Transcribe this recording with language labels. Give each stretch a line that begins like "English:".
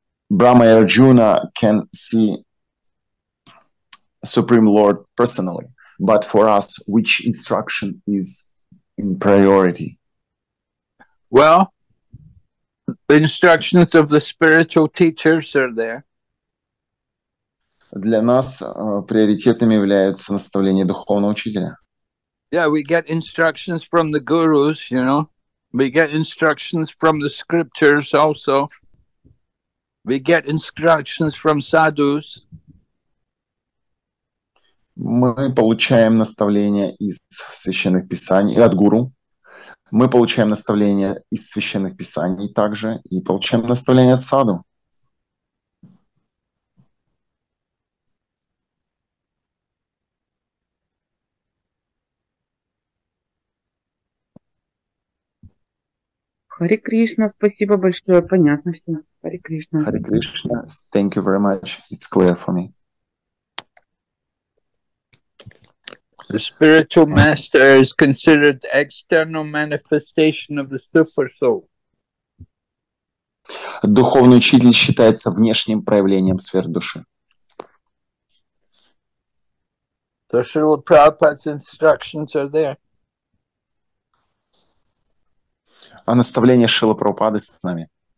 English: Brahma and Arjuna can see Supreme Lord personally, but for us, which instruction is in priority? Well, the instructions of the spiritual teachers are there.
Russian: Для нас приоритетными являются наставления духовного учителя.
English: Yeah, we get instructions from the gurus, you know. We get instructions from the scriptures also. We get instructions from sadhus.
Russian: Мы получаем наставления из священных писаний от гуру. Мы получаем наставления из священных писаний также и получаем наставления от саду. Хари Кришна, спасибо большое, понятно все. Хари Кришна.
English: Хари Кришна, thank you very much. It's clear for me. The spiritual master is considered the external manifestation of the super soul.
Russian: Духовный учитель считается внешним проявлением сверхдуши.
English: The Srila Prabhupada's instructions are there.
Russian: А наставление Шрилы Прабхупады с нами.